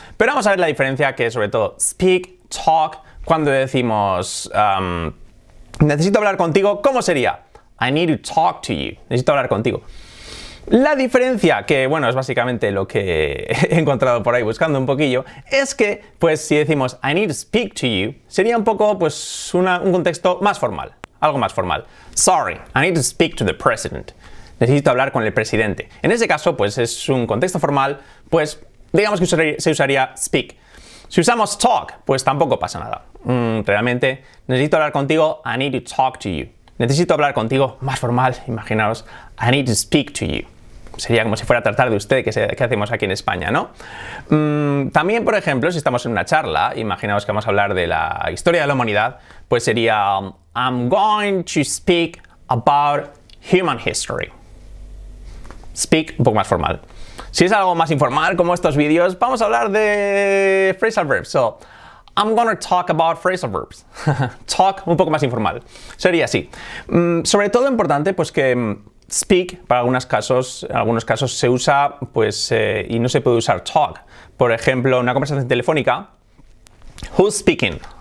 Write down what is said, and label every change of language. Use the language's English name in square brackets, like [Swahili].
[Spanish] Pero vamos a ver la diferencia que sobre todo speak, talk, cuando decimos necesito hablar contigo, ¿cómo sería? [English] I need to talk to you. [Spanish] Necesito hablar contigo. La diferencia, que bueno, es básicamente lo que he encontrado por ahí buscando un poquillo, es que pues si decimos [English] I need to speak to you, [Spanish] sería un poco pues un contexto más formal, algo más formal. [English] Sorry, I need to speak to the president. [Spanish] Necesito hablar con el presidente. En ese caso, pues es un contexto formal, pues digamos que se usaría speak. Si usamos talk, pues tampoco pasa nada. Realmente, necesito hablar contigo, [English] I need to talk to you. [Spanish] Necesito hablar contigo, más formal, imaginaos, [English] I need to speak to you. [Spanish] Sería como si fuera a tratar de usted, que hacemos aquí en España, ¿no? También, por ejemplo, si estamos en una charla, imaginaos que vamos a hablar de la historia de la humanidad, pues sería, [English] I'm going to speak about human history. [Spanish] Speak, un poco más formal. Si es algo más informal, como estos vídeos, vamos a hablar de phrasal verbs. [English] So, I'm gonna talk about phrasal verbs. [Spanish] Talk, un poco más informal. Sería así. Sobre todo importante, pues que speak, para algunos casos, se usa, pues, y no se puede usar talk. Por ejemplo, una conversación telefónica. [English] Who's speaking?